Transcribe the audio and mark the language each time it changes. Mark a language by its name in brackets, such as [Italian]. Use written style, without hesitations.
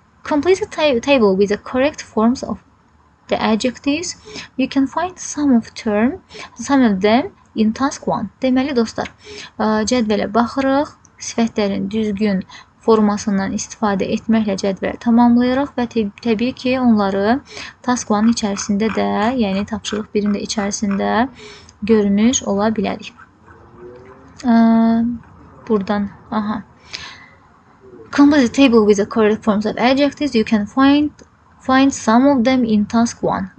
[English] Complete a table with the correct forms of the adjectives, you can find some of them in task 1. [Azerbaijani] Deməli dostlar, cədvələ baxırıq, sifətlərin düzgün formasından istifadə etməklə cədvələ tamamlayırıq və təbii ki, onları task 1-in içərisində də, yəni tapşırıq 1-in də içərisində görmüş ola bilərik. [English] Buradan, Compose a table with the correct forms of adjectives, you can find some of them in task 1.